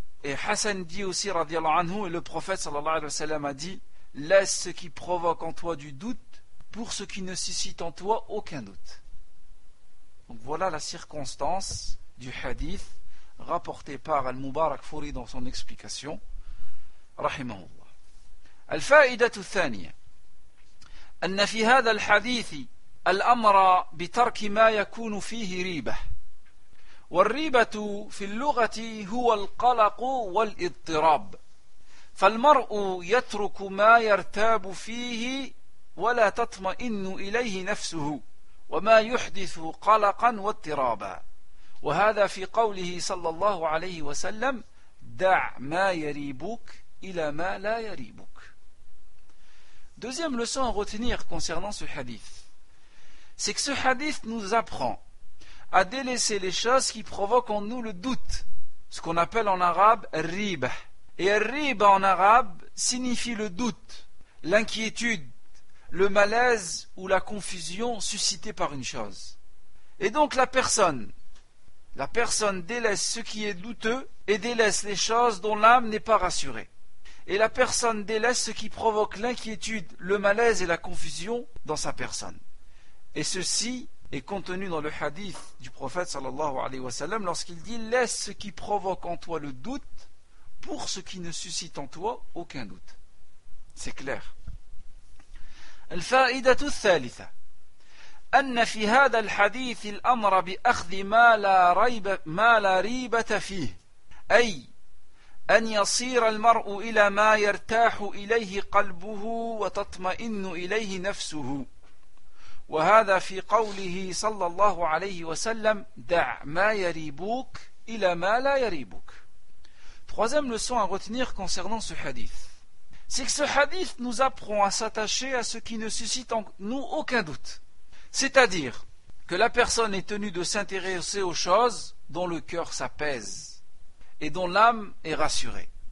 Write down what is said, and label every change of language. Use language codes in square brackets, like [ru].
[fr] Et Hassan dit aussi, radiallahu anhu, et le prophète sallallahu alayhi wa sallam a dit: laisse ce qui provoque en toi du doute pour ce qui ne suscite en toi aucun doute. Donc voilà la circonstance du hadith rapporté par Al-Mubarak Fouri dans son explication, rahimahullah. [ar] Al-Fa'idatu Thaniya, anna fi hadha al-hadithi الأمر بترك ما يكون فيه ريبة، والريبة في اللغة هو القلق والاضطراب، فالمرء يترك ما يرتاب فيه ولا تطمئن إليه نفسه، وما يحدث قلقا واضطرابا، وهذا في قوله صلى الله عليه وسلم: دع ما يريبك إلى ما لا يريبك. [fr] Deuxième leçon à retenir concernant ce hadith, c'est que ce hadith nous apprend à délaisser les choses qui provoquent en nous le doute, ce qu'on appelle en arabe riba. Et riba en arabe signifie le doute, l'inquiétude, le malaise ou la confusion suscitée par une chose. Et donc la personne délaisse ce qui est douteux et délaisse les choses dont l'âme n'est pas rassurée. Et la personne délaisse ce qui provoque l'inquiétude, le malaise et la confusion dans sa personne. Et ceci est contenu dans le hadith du prophète sallallahu alayhi wa sallam lorsqu'il dit: laisse ce qui provoque en toi le doute pour ce qui ne suscite en toi aucun doute. C'est clair. [ar] الفائدة الثالثة أن في هذا الحديث الأمر بأخذ ما لا ريبة فيه أي أن يصير المرء إلى ما يرتاح إليه قلبه وتطمئن إليه نفسه وهذا في قوله صلى الله عليه وسلم: دع ما يريبك إلى ما لا يريبك. [fr] Troisième leçon à retenir concernant ce hadith, c'est que ce hadith nous apprend à s'attacher à ce qui ne suscite en nous aucun doute. C'est-à-dire que la personne est tenue de s'intéresser aux choses dont le cœur s'apaise et dont l'âme est rassurée.